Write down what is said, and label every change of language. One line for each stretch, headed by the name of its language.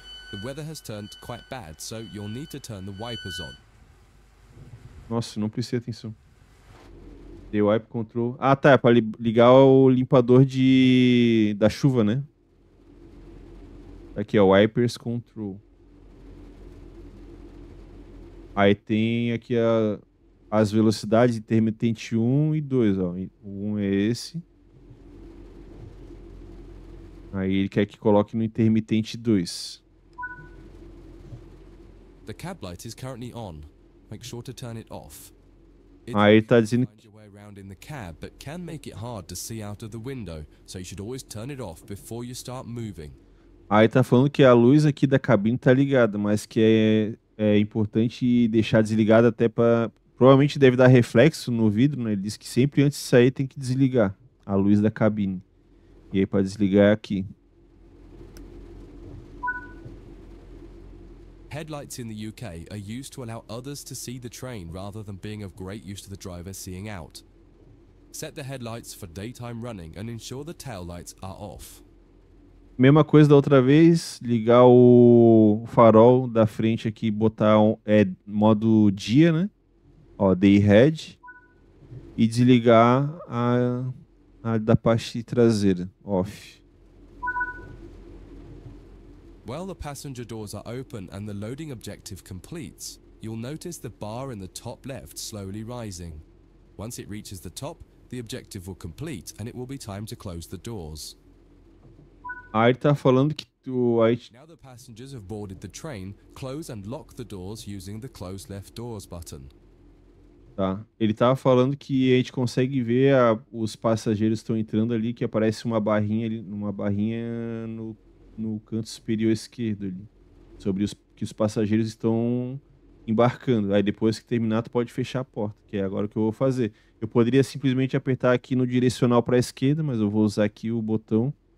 English: The weather has turned quite bad, so you'll need to turn the wipers on.
Portuguese: Nossa, não prestei atenção.
English: The wipe control.
Portuguese: Ah, tá, é para ligar o limpador da chuva, né? Aqui é o wipers control. Aí tem aqui as velocidades intermitente 1 e 2, ó. O 1 é esse. Aí ele quer que coloque no intermitente 2.
English: The cab light is currently on. Make sure to turn it off.
Portuguese: Aí ele tá dizendo que
English: find your way around in the cab, but can make it hard to see out of the window, so you should always turn it off before you start moving.
Portuguese: Aí tá falando que a luz aqui da cabine tá ligada, mas que é importante deixar desligada até para provavelmente deve dar reflexo no vidro, né? Ele diz que sempre antes de sair tem que desligar a luz da cabine. E aí para desligar é aqui.
English: Headlights in the UK are used to allow others to see the train rather than being of great use to the driver seeing out. Set the headlights for daytime running and ensure the tail lights are off.
Portuguese: Mesma coisa da outra vez, ligar o farol da frente aqui, botar modo dia, né? Ó, day head. E desligar a da parte traseira, off.
English: While the passenger doors are open and the loading objective completes, you'll notice the bar in the top left slowly rising. Once it reaches the top, the objective will complete and it will be time to close the doors.
Portuguese: Aí tá falando que tu aí
English: Now the passengers have boarded the train, close and lock the doors using the close left doors button.
Portuguese: tá. Ele tava falando que a gente consegue ver os passageiros estão entrando ali, que aparece uma barrinha no canto superior esquerdo ali, sobre que os passageiros estão embarcando. Aí depois que terminar, tu pode fechar a porta, que é agora o que eu vou fazer. Eu poderia simplesmente apertar aqui no direcional para a esquerda, mas eu vou usar aqui o botão.